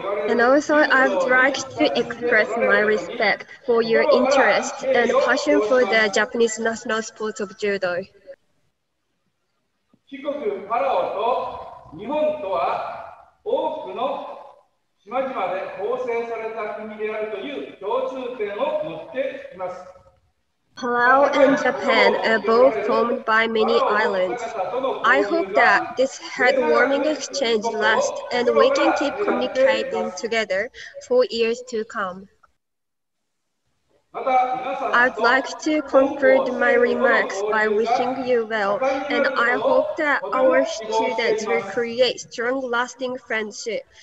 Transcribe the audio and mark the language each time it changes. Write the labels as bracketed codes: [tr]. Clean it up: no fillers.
[en] And also, I would like to express my respect for your interest and passion for the Japanese national sport of judo. [ja] 四国パラオと日本とは多くの島々で構成された国であるという共通点を持っています。 [en] Palau and Japan are both formed by many islands. I hope that this heartwarming exchange lasts and we can keep communicating together for years to come. I'd like to conclude my remarks by wishing you well, and I hope that our students will create strong, lasting friendship.